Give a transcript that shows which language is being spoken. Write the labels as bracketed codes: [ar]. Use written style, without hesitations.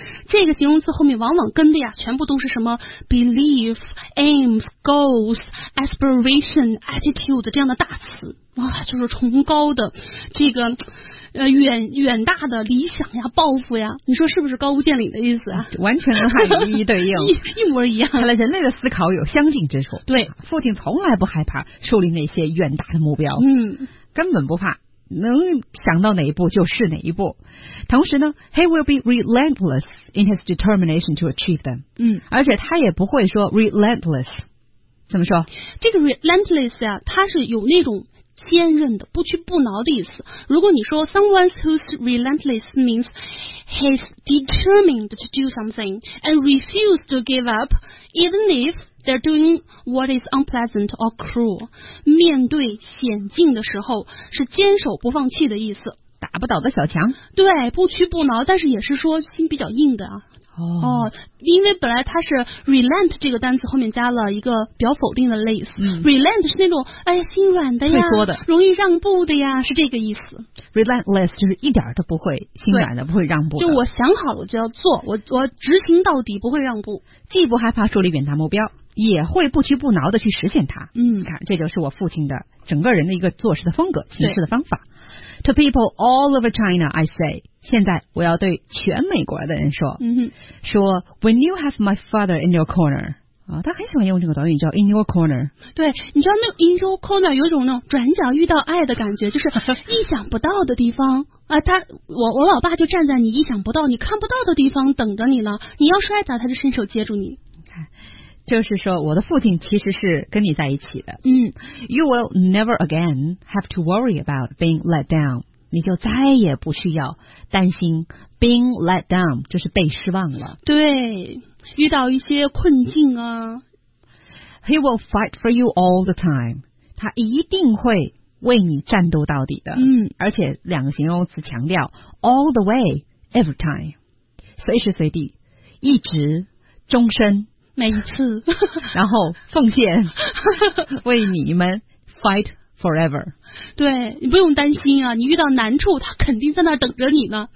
[zh] 这个形容词后面往往跟的呀全部都是什么 [en] belief aims goals aspiration attitude [zh] 这样的大词，就是崇高的这个远大的理想呀，抱负呀，你说是不是高屋建瓴的意思啊？完全跟他一一对应。一模一样。看来人类的思考有相近之处。对，父亲从来不害怕树立那些远大的目标，根本不怕，能想到哪一步就是哪一步。同时呢 [en] ，he will be relentless in his determination to achieve them。 [zh] 而且他也不会说 relentless， 怎么说？这个 relentless 呀，它是有那种坚韧的不屈不挠的意思。 [en] 如果你说 someone who's relentless means he's determined to do something and refuse to give up even if they're doing what is unpleasant or cruel. [zh] 面对险境的时候是坚守不放弃的意思。打不倒的小强。对，不屈不挠，但是也是说心比较硬的。哦，因为本来它是 relent 这个单词后面加了一个比较否定的类似、relent 是那种哎呀心软的呀，退缩的，容易让步的呀，是这个意思。 relentless 就是一点都不会心软的，不会让步的，就我想好了就要做，我执行到底，不会让步，既不害怕树立远大目标，也会不屈不挠的去实现它。嗯，看这就是我父亲的整个人的一个做事的风格，行事的方法。 [en] To people all over China I say， [zh] 现在我要对全美国的人说、说 [en] When you have my father in your corner、 [zh] 他很喜欢用这个短语叫 [en] in your corner。 [zh] 对，你知道那 [en] in your corner [zh] 有种那种转角遇到爱的感觉，就是意想不到的地方、我老爸就站在你意想不到你看不到的地方等着你呢，你要摔倒他就伸手接住你。就是说我的父亲其实是跟你在一起的。嗯， [en] You will never again have to worry about being let down， [zh] 你就再也不需要担心 [en] being let down， [zh] 就是被失望了。对，遇到一些困境啊， [en] He will fight for you all the time， [zh] 他一定会为你战斗到底的。嗯，而且两个形容词强调 [en] all the way every time， [zh] 随时随地，一直，终身，每一次然后奉献为你们 [en] fight forever。 [zh] 对，你不用担心啊，你遇到难处他肯定在那儿等着你呢。